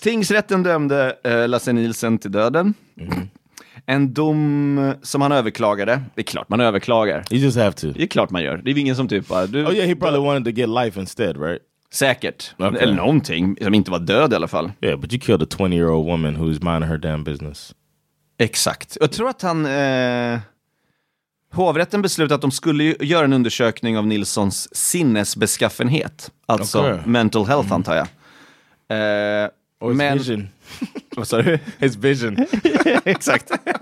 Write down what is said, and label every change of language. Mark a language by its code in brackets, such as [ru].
[sv] Tingsrätten dömde Lasse Nilsson till döden. Mm-hmm. En dom som han överklagade. Det är klart man överklagar. [en] You just have to. [sv] Det är klart man gör. Det är ingen som typar. [en] Oh yeah, he probably wanted to get life instead, right? [sv] Säkert. Okay. Eller någonting som inte var död i alla fall. [en] Yeah, but you killed a 20-year-old woman who is minding her damn business. [sv] Exakt. Jag tror att han... hovrätten beslutade att de skulle göra en undersökning av Nilssons sinnesbeskaffenhet. Alltså mental health, antar jag. [en] Or his men... vision. [sv] Vad sa du? [en] His vision. [sv] Exakt.